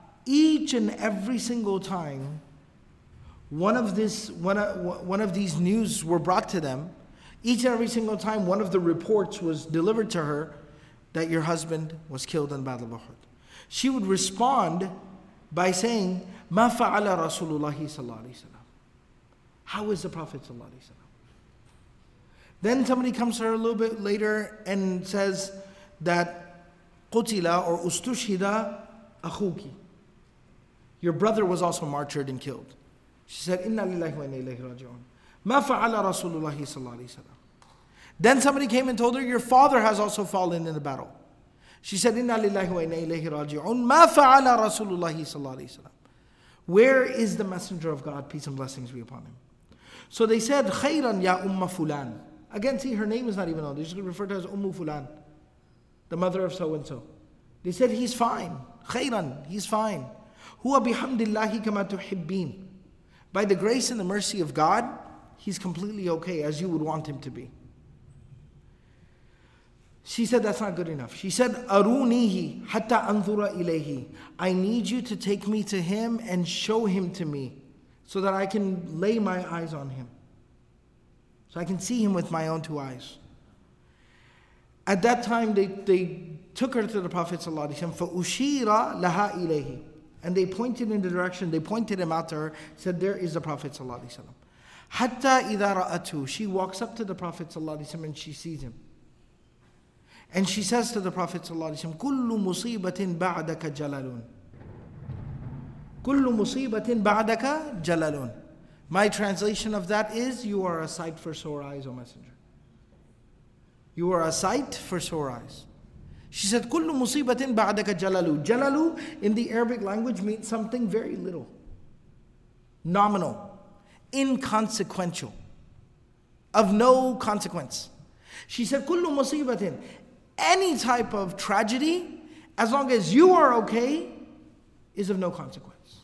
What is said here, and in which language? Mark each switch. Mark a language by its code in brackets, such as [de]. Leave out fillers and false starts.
[en] Each and every single time One of these news were brought to them, each and every single time one of the reports was delivered to her that your husband was killed in the Battle of Uhud, she would respond by saying, [ar] مَا فَعَلَ رَسُولُ اللَّهِ صَلَّى اللَّهِ وَسَلَّمَ. [en] How is the Prophet صلى الله عليه وسلم? Then somebody comes to her a little bit later and says that [ar] قُتِلَ [en] or [ar] أُسْتُشْهِدَ أَخُوكِ. [en] Your brother was also martyred and killed. She said, [ar] إِنَّا لِلَّهِ وَإِنَّا إِلَيْهِ رَاجِعُونَ. مَا فَعَلَ رَسُولُ اللَّهِ صَلَّى اللَّهِ عَلَيْهِ وَسَلَّمَ. [en] Then somebody came and told her, your father has also fallen in the battle. [ar] She said, إِنَّا لِلَّهِ وَإِنَّا إِلَيْهِ رَاجِعُونَ. مَا فَعَلَ رَسُولُ اللَّهِ صَلَّى اللَّهِ عَلَيْهِ وَسَلَّمَ. [en] Where is the messenger of God, peace and blessings be upon him? So they said, [ar] خَيْرًا يَا أُمَّ فُلَان. [en] Again, see, her name is not even known. They just refer to her as Ummu Fulan, the mother of so-and-so. They said, he's fine. خَيْرًا, he's fine. [ar] هُوَ بِحَمْدِ اللَّهِ كَمَا تُحِبِّينَ. [en] By the grace and the mercy of God, he's completely okay, as you would want him to be. She said, that's not good enough. She said, [ar] أَرُونِهِ حَتَّى أَنْظُرَ إِلَيْهِ. [en] I need you to take me to him and show him to me so that I can lay my eyes on him. So I can see him with my own two eyes. At that time, they took her to the Prophet ﷺ. [ar] فَأُشِيرَ لَهَا إِلَيْهِ. [en] And they pointed in the direction, they pointed him out to her, said, there is the Prophet ﷺ. [ar] حَتَّى إِذَا رَأَتُهُ. [en] She walks up to the Prophet ﷺ and she sees him. And she says to the Prophet ﷺ, [ar] كُلُّ مُصِيبَةٍ بَعْدَكَ جَلَلٌ. كُلُّ مُصِيبَةٍ بَعْدَكَ جَلَلٌ. [en] My translation of that is, you are a sight for sore eyes, O Messenger. You are a sight for sore eyes. She said, [ar] كُلُّ مُصِيبَةٍ بَعْدَكَ جَلَلُ. [en] جَلَلُ in the Arabic language means something very little. Nominal. Inconsequential. Of no consequence. She said, [ar] كُلُّ مُصِيبَةٍ. [en] Any type of tragedy, as long as you are okay, is of no consequence.